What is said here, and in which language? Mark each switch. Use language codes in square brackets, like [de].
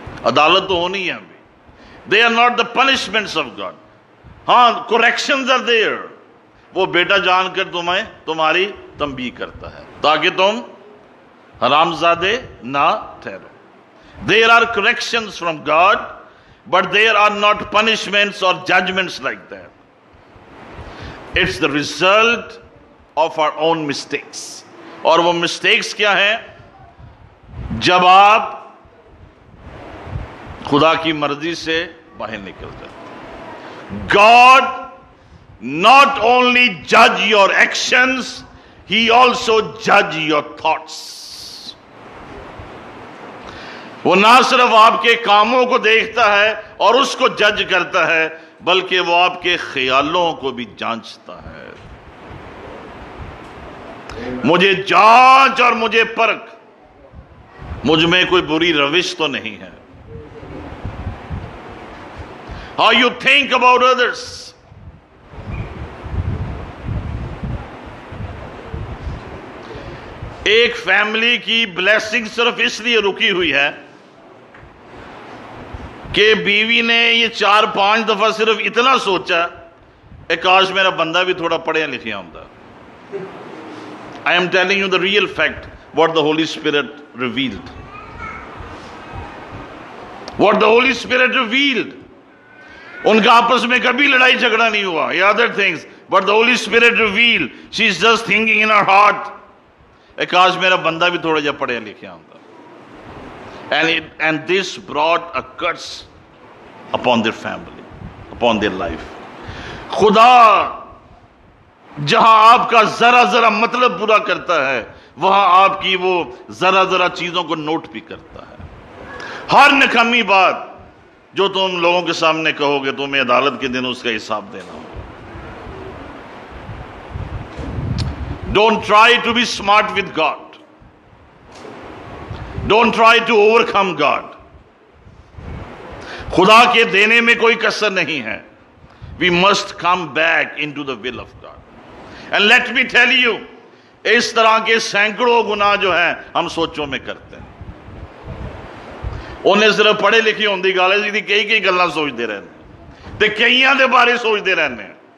[ur] عدالت تو ہونی ہے ابھی، [en] They are not the punishments of God. [ur] ہاں [en] corrections are there, [ur] وہ بیٹا جان کر تمہاری تنبیہ کرتا ہے تاکہ تم حرام زادے نہ ٹھہرو. [en] There are corrections from God but there are not punishments or judgments like that. It's the result of our own mistakes. [ur] اور وہ mistakes کیا ہیں؟ جب آپ خدا کی مرضی سے باہر نکل جاتے. [en] God not only judge your actions, he also judge your thoughts. [ur] وہ نہ صرف آپ کے کاموں کو دیکھتا ہے اور اس کو جج کرتا ہے بلکہ وہ آپ کے خیالوں کو بھی جانچتا ہے. مجھے جانچ اور مجھے پرکھ، مجھ میں کوئی بری روش تو نہیں ہے. [en] how you think about others, [ur] ایک فیملی کی بلیسنگ صرف اس لیے رکی ہوئی ہے کہ بیوی نے یہ چار پانچ دفعہ صرف اتنا سوچا [pa] اے کاش میرا بندہ بھی تھوڑا پڑھیا لکھیا ہوتا. [en] I am telling you the real fact what the holy spirit revealed, what the holy spirit revealed. [ur] ان کا آپس میں کبھی لڑائی جھگڑا نہیں ہوا، یا other [en] things, but the holy spirit revealed she is just thinking in her heart [pa] a کاش میرا بندہ بھی تھوڑا جا پڑھیا لکھیا ہوتا. [en] And this brought a curse upon their family, upon their life. [ur] خدا جہاں آپ کا ذرا ذرا مطلب پورا کرتا ہے وہاں آپ کی وہ ذرا ذرا چیزوں کو نوٹ بھی کرتا ہے. ہر نکمی بات جو تم لوگوں کے سامنے کہو گے تمہیں عدالت کے دن اس کا حساب دینا ہوگا. [en] Don't try to be smart with God. Don't try to overcome God. [ur] خدا کے دینے میں کوئی قصر نہیں ہے. [en] We must come back into the will of God. And let me tell you, [ur] اس طرح کے سینکڑوں گناہ جو ہیں ہم سوچوں میں کرتے ہیں. [pa] انہیں صرف پڑھے لکھے ہوں گالے جی کئی کئی گلا سوچتے رہنے تے کئیوں کے بارے سوچتے رہنے.